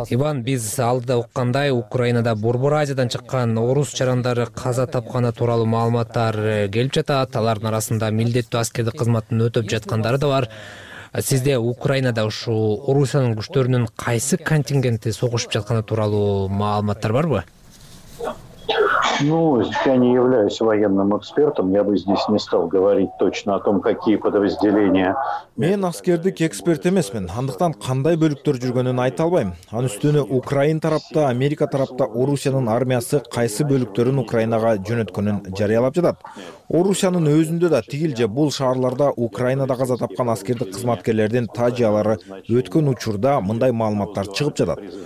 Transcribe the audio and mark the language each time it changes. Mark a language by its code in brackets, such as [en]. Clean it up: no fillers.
[ky] Иван, биз алдыда уккандай Украинада Борбор Азиядан чыккан орус чарандары каза тапканы тууралуу маалыматтар келип жатат. Алардын арасында милдеттүү аскердик кызматтан өтүп жаткандары да бар. Сизде Украинада ушу Орусиянын күчтөрүнүн кайсы контингенти согушуп жатканы тууралуу маалыматтар барбы? [ru] Ну, я не являюсь военным экспертом, я бы здесь не стал говорить точно о том, какие подразделения. [ky] Мен аскердик эксперт эмесмин, андыктан кандай бөлүктөр жүргөнүн айта албайм. Анын үстүнө Украин тарапта, Америка тарапта Орусиянын армиясы кайсы бөлүктөрүн Украинага жөнөткөнүн жарыялап жатат. Орусиянын өзүндө да тигил же бул шаарларда Украинада каза тапкан аскердик кызматкерлердин тажиялары өткөн учурда мындай маалыматтар чыгып жатат.